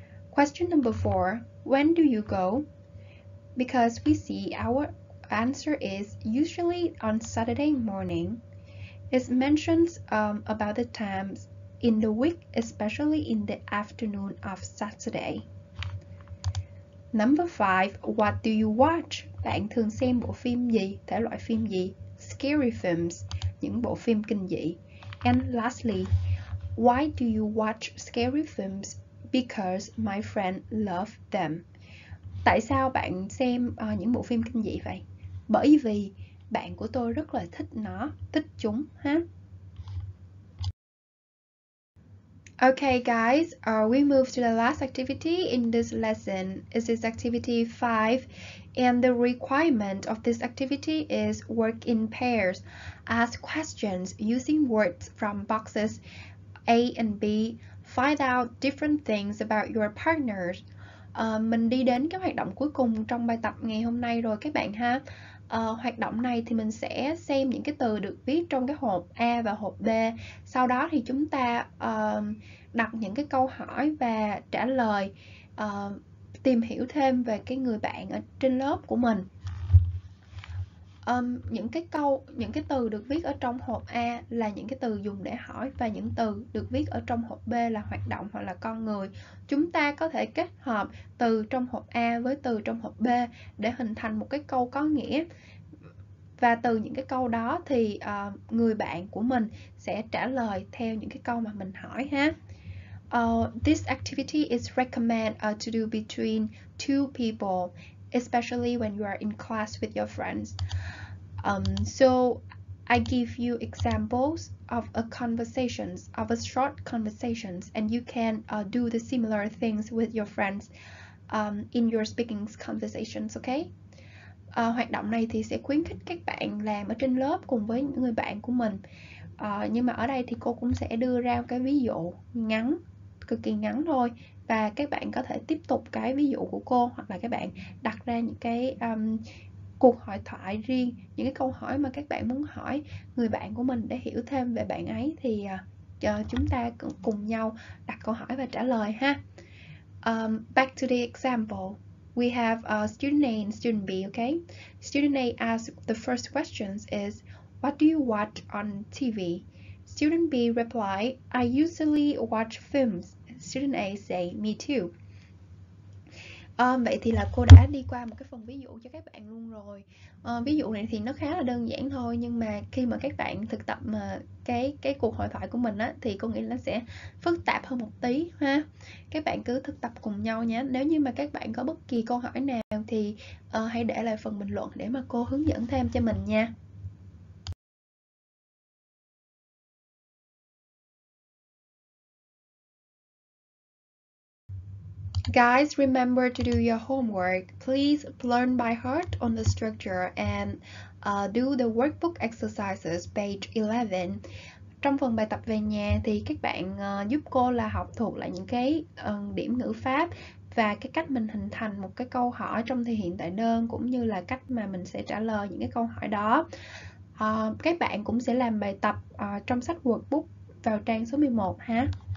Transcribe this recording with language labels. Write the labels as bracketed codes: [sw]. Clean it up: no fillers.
[en] Question number 4, when do you go? Because we see our answer is usually on Saturday morning. It mentions about the times in the week, especially in the afternoon of Saturday. Number 5, what do you watch? [vi] Bạn thường xem bộ phim gì? Thể loại phim gì? [en] Scary films, [vi] những bộ phim kinh dị. [en] And lastly, why do you watch scary films? Because my friend loved them. [vi] Tại sao bạn xem những bộ phim kinh dị vậy? Bởi vì bạn của tôi rất là thích nó, thích chúng, ha? [en] Okay, guys, we move to the last activity in this lesson. This is activity 5, and the requirement of this activity is work in pairs. Ask questions using words from boxes A and B. Find out different things about your partners. [vi] Mình đi đến cái hoạt động cuối cùng trong bài tập ngày hôm nay rồi các bạn ha. Hoạt động này thì mình sẽ xem những cái từ được viết trong cái hộp A và hộp B. Sau đó thì chúng ta đặt những cái câu hỏi và trả lời, tìm hiểu thêm về cái người bạn ở trên lớp của mình. Những cái từ được viết ở trong hộp A là những cái từ dùng để hỏi và những từ được viết ở trong hộp B là hoạt động hoặc là con người. Chúng ta có thể kết hợp từ trong hộp A với từ trong hộp B để hình thành một cái câu có nghĩa. Và từ những cái câu đó thì người bạn của mình sẽ trả lời theo những cái câu mà mình hỏi ha. [en] This activity is recommended to do between two people, especially when you are in class with your friends. So I give you examples of a conversations, of a short conversations, and you can do the similar things with your friends in your speaking conversations, okay? [vi] Hoạt động này thì sẽ khuyến khích các bạn làm ở trên lớp cùng với những người bạn của mình. Nhưng mà ở đây thì cô cũng sẽ đưa ra cái ví dụ ngắn, cực kỳ ngắn thôi. Và các bạn có thể tiếp tục cái ví dụ của cô hoặc là các bạn đặt ra những cái cuộc hội thoại riêng, những cái câu hỏi mà các bạn muốn hỏi người bạn của mình để hiểu thêm về bạn ấy thì chúng ta cùng nhau đặt câu hỏi và trả lời ha. [en] Back to the example, we have student A and student B, okay? Student A asks the first questions is, what do you watch on TV? Student B reply, I usually watch films. Student A say, me too. [vi] Vậy thì là cô đã đi qua một cái phần ví dụ cho các bạn luôn rồi. Ví dụ này thì nó khá là đơn giản thôi, nhưng mà khi mà các bạn thực tập mà cái cuộc hội thoại của mình á, thì cô nghĩ nó sẽ phức tạp hơn một tí ha. Các bạn cứ thực tập cùng nhau nhé. Nếu như mà các bạn có bất kỳ câu hỏi nào thì hãy để lại phần bình luận để mà cô hướng dẫn thêm cho mình nha. [en] Guys, remember to do your homework. Please learn by heart on the structure and do the workbook exercises, page 11. [vi] Trong phần bài tập về nhà thì các bạn giúp cô là học thuộc lại những cái điểm ngữ pháp và cái cách mình hình thành một cái câu hỏi trong thể hiện tại đơn cũng như là cách mà mình sẽ trả lời những cái câu hỏi đó. Các bạn cũng sẽ làm bài tập trong sách workbook vào trang số 11 ha.